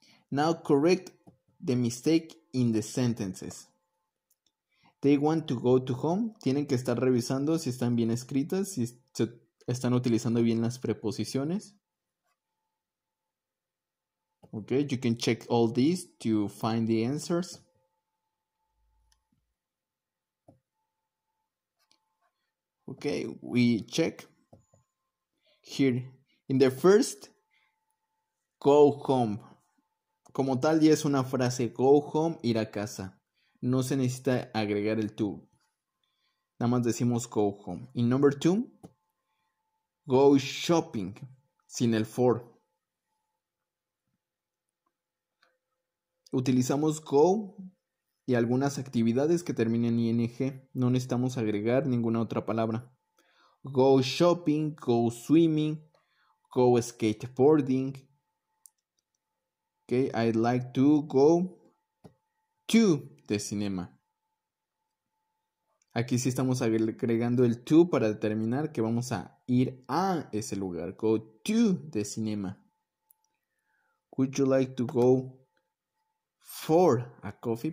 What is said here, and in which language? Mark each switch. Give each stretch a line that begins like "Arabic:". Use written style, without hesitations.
English: Now correct the mistake in the sentences. They want to go to home.
Spanish: Tienen que estar revisando si están bien escritas, si están utilizando bien las preposiciones.
English: Okay, you can check all these to find the answers. Okay, we check. Here, in the first, go home.
Spanish: Como tal, ya es una frase,
English: go home,
Spanish: ir a casa. No se necesita agregar el to. Nada más decimos
English: go home. In number two, go shopping,
Spanish: sin el
English: for.
Spanish: Utilizamos go y algunas actividades que terminen ing. No necesitamos agregar ninguna otra palabra.
English: Go shopping, go swimming, go skateboarding. Okay, I'd like to go to the cinema.
Spanish: Aquí sí estamos agregando el to para determinar que vamos a ir a ese lugar.
English: Go to the cinema. Would you like to go for a coffee?